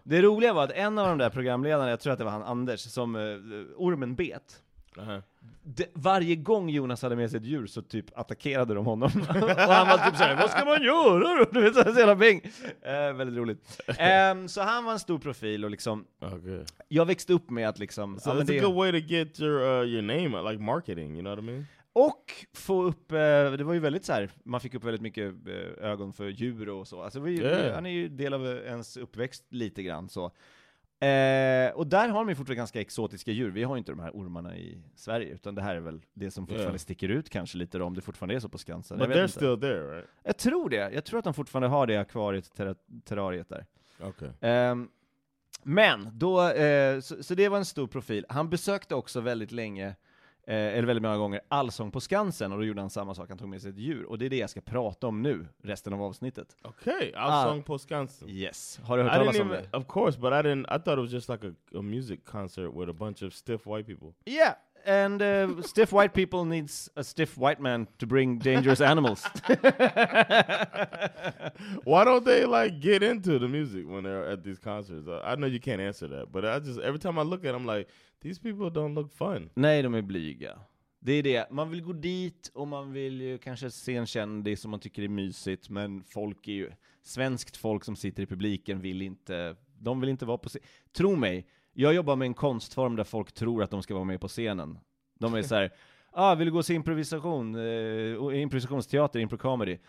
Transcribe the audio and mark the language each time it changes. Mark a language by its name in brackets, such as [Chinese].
[Swedish] Det roliga var att en av de där programledarna, jag tror att det var han Anders, som ormen bet. Varje gång Jonas hade med sig ett djur så typ attackerade de honom. Och han var typ såhär, vad ska man göra? Du vet, såhär hela bing. Väldigt roligt. Så han var en stor profil och liksom, [English] okay. [Swedish] Jag växte upp med att liksom. [English] So that's a good way to get your name, like marketing, you know what I mean? [Swedish] Och få upp, det var ju väldigt såhär, man fick upp väldigt mycket ögon för djur och så. Alltså, han är ju del av ens uppväxt lite grann så. Och där har de ju fortfarande ganska exotiska djur. Vi har ju inte de här ormarna i Sverige, utan det här är väl det som fortfarande sticker ut kanske lite då, om det fortfarande är så på Skansen. [English] But they're still there, right? [Swedish] Jag tror det. Jag tror att de fortfarande har det akvariet, terrariet där. [English] Okay. [Swedish] Men då, så det var en stor profil. Han besökte också väldigt länge, eller väldigt många gånger, Allsång på Skansen, och då gjorde han samma sak. Han tog med sig ett djur, och det är det jag ska prata om nu resten av avsnittet. Okej, okay, Allsång på Skansen. Yes. Har du hört talas om det? [English] Of course, but I thought it was just like a music concert with a bunch of stiff white people. Yeah. and stiff white people needs a stiff white man to bring dangerous animals. Why don't they like get into the music when they're at these concerts? I know you can't answer that, but I just every time I look at them, I'm like, these people don't look fun. [Swedish] Nej, de är blyga. Det är det. Man vill gå dit och man vill ju kanske se en kändis som man tycker är mysigt, men folk är ju svenskt folk som sitter i publiken vill inte, de vill inte vara på scen. Tro mig, jag jobbar med en konstform där folk tror att de ska vara med på scenen. De är så här, vill du gå och se improvisation? Improvisationsteater, improcomedy?